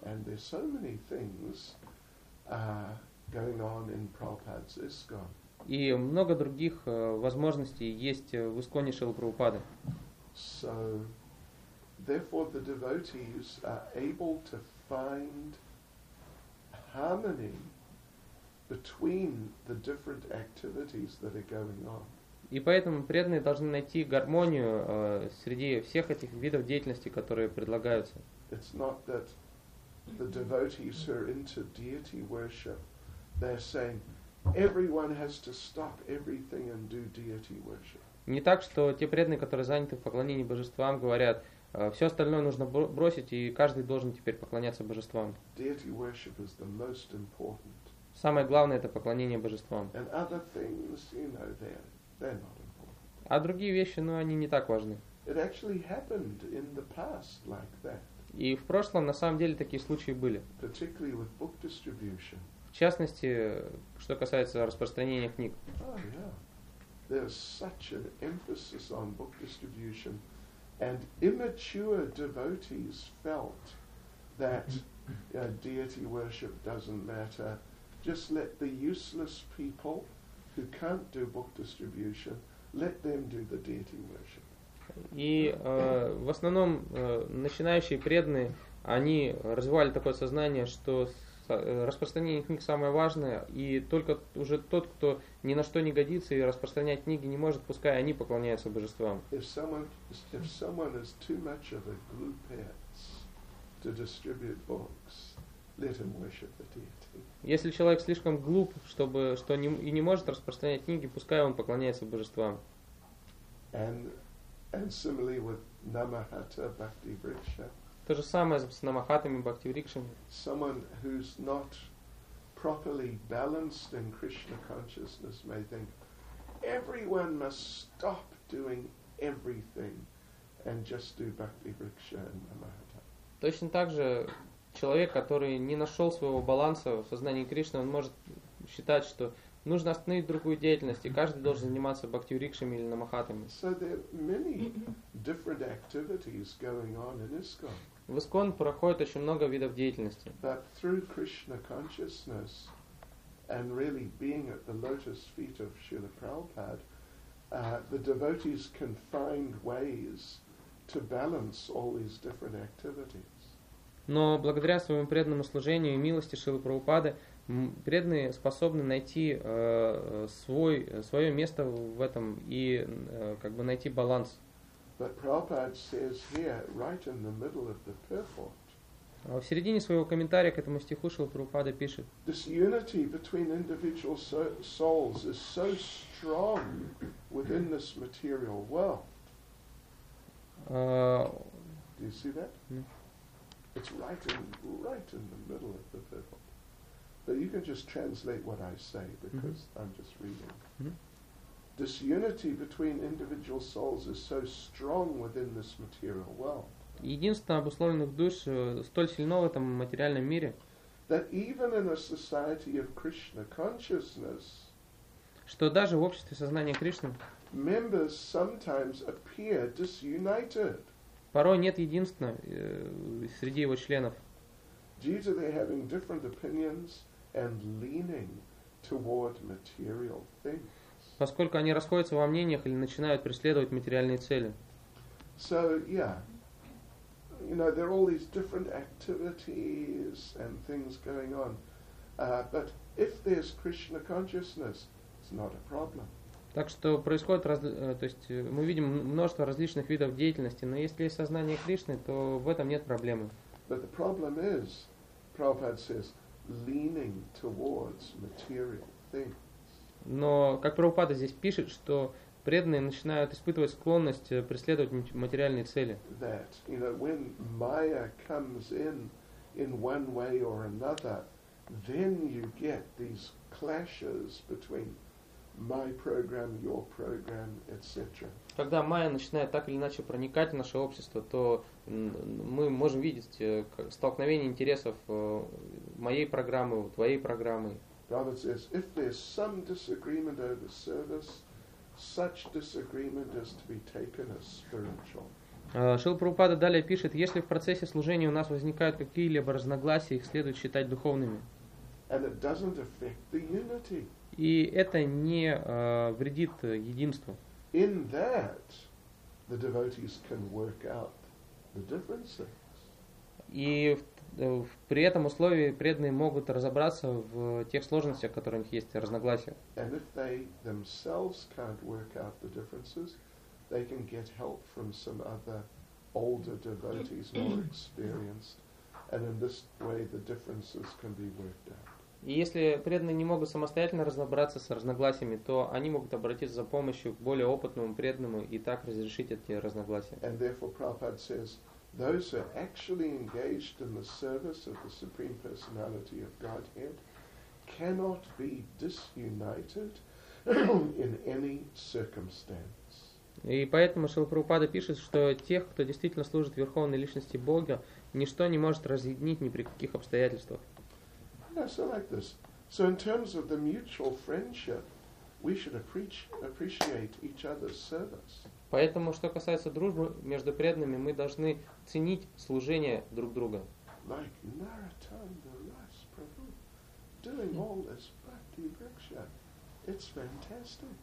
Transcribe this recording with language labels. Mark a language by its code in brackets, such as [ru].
[en] And there's so many things going on in Prabhupada's ISKCON. [ru] И много других возможностей есть в исконе Шрилы Прабхупады. [en] So, therefore the devotees are able to find harmony between the different activities that are going on. [ru] И поэтому преданные должны найти гармонию среди всех этих видов деятельности, которые предлагаются. [en] It's not that the devotees who are into deity worship, they're saying, everyone has to stop everything and do deity worship. [ru] Не так, что те преданные, которые заняты в поклонении божествам, говорят, все остальное нужно бросить, и каждый должен теперь поклоняться божествам. [en] Deity worship is the most important. [ru] Самое главное — это поклонение божествам. [en] And other things, you know, they're not important. [ru] А другие вещи, ну, они не так важны. [en] It actually happened in the past like that. [ru] И в прошлом, на самом деле, такие случаи были. [en] Particularly with book distribution. [ru] В частности, что касается распространения книг. [en] There's such an emphasis on book distribution, and immature devotees felt that deity worship doesn't matter. Just let the useless people who can't do book distribution, let them do the deity worship. [ru] И в основном начинающие преданные, они развивали такое сознание, что распространение книг самое важное, и только уже тот, кто ни на что не годится и распространять книги не может, пускай они поклоняются божествам. [en] If someone is too much of a glupet, to distribute books, let him worship the deity. [ru] Если человек слишком глуп, чтобы что не и не может распространять книги, пускай он поклоняется божествам. [en] And similarly with Namahata Bhakti Vriksha. [ru] То же самое с Намахатами Бхакти Врикшами. [en] Someone who's not properly balanced in Krishna consciousness may think everyone must stop doing everything and just do Bhakti Vriksha and Namahata. [ru] Точно так же человек, который не нашел своего баланса в сознании Кришны, он может считать, что нужно остановить другую деятельность, и каждый должен заниматься бхакти-рикшами или намахатами. [en] So there are many different activities going on in ISKCON. [ru] В ISKCON проходит очень много видов деятельности. [en] But through Krishna consciousness and really being at the lotus feet of Srila Prabhupada, the devotees can find ways to balance all these different activities. [ru] Но благодаря своему преданному служению и милости Шрилы Прабхупады, преданные способны найти свое место в этом и как бы найти баланс. [en] But Prabhupada says here, right in the middle of the purport, [ru] в середине своего комментария к этому стиху Шрила Прабхупада пишет: [en] this unity between individual souls is so strong within this material world. Do you see that? It's right in the middle of the purport. But you can just translate what I say because mm-hmm. I'm just reading. Mm-hmm. This unity between individual souls is so strong within this material world. [ru] Единство обусловленных душ столь сильно в этом материальном мире. [en] That even in a society of Krishna consciousness, [ru] что даже в обществе сознания Кришны, [en] members sometimes appear disunited. [ru] Порой нет единства среди его членов. [en] Due to their having different opinions and leaning toward material things. [ru] Поскольку они расходятся во мнениях или начинают преследовать материальные цели. [en] So, yeah. You know, there are all these different activities and things going on. But if there's Krishna consciousness, it's not a problem. [ru] Так что происходит, то есть мы видим множество различных видов деятельности, но если есть сознание Кришны, то в этом нет проблемы. [en] But the problem is, Prabhupada says, leaning towards material things. [ru] Но, как Прабхупада здесь пишет, что преданные начинают испытывать склонность преследовать материальные цели. [en] That, you know, when Maya comes in one way or another, then you get these clashes between my program, your program, etc. [ru] Когда майя начинает так или иначе проникать в наше общество, то мы можем видеть столкновение интересов моей программы, твоей программы. [en] Prabhupada says, if there's some disagreement over service, such disagreement is to be taken as spiritual. [ru] Шрила Прабхупада далее пишет, если в процессе служения у нас возникают какие-либо разногласия, их следует считать духовными. [en] And it doesn't affect the unity. [ru] И это не вредит единству. [en] In that, the devotees can work out the differences. [ru] И при этом условии преданные могут разобраться в тех сложностях, которые у них есть, разногласия. [en] And if they themselves can't work out the differences, they can get help from some other older devotees, more experienced. And in this way, the differences can be worked out. [ru] И если преданные не могут самостоятельно разобраться с разногласиями, то они могут обратиться за помощью к более опытному преданному и так разрешить эти разногласия. [en] And therefore Prabhupada says, those who are actually engaged in the service of the Supreme Personality of Godhead cannot be disunited in any circumstance. [ru] И поэтому Шрила Прабхупада пишет, что тех, кто действительно служит Верховной Личности Бога, ничто не может разъединить ни при каких обстоятельствах. [en] Yeah, so like this. So in terms of the mutual friendship, we should appreciate each other's service. [ru] Поэтому, что касается дружбы между преданными, мы должны ценить служение друг друга. [en] Like Narottama Das Prabhu, doing all this bhakti vriksha, it's fantastic.